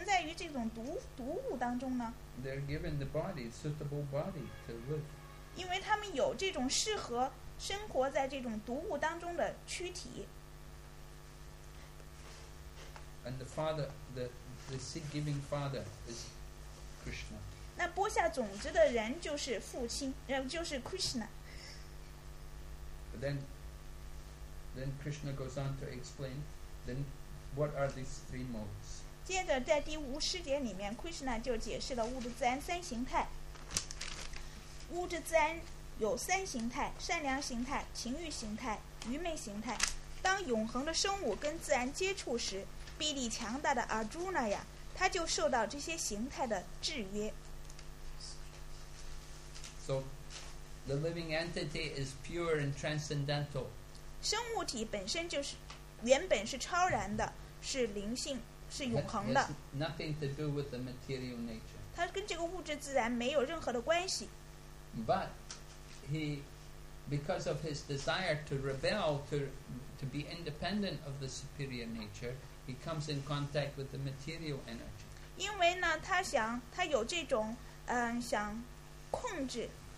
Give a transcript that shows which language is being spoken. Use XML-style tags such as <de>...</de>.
<zh>那这些生物体怎么能够存在于这种毒物当中呢?</zh> <en>They're given the body, suitable body to live.</en> <zh>因为他们有这种适合生活在这种毒物当中的躯体。</zh> <en>And the father, the seed-giving father is Krishna.</en> <zh>那播下种子的人就是父亲, 就是 Krishna.</zh> <en>But then Krishna goes on to explain, then what are these three modes?</en> <zh>接着在第五十节里面, Krishna 就解释了物质自然三形态。物质自然有三形态, 善良形态, 情欲形态, 愚昧形态。当永恒的生物跟自然接触时, 臂力强大的 Arjuna 呀, 他就受到这些形态的制约。</zh> <en>So, the living entity is pure and transcendental.</en> <zh>生物体本身就是原本是超然的, 是灵性, 是永恒的。</zh> <en>It's nothing to do with the material nature.</en> <zh>它跟这个物质自然没有任何的关系。</zh> <en>But he, because of his desire to rebel, to be independent of the superior nature, he comes in contact with the material energy.</en> <zh>因为呢, 他想, 他有这种, 想控制,</zh>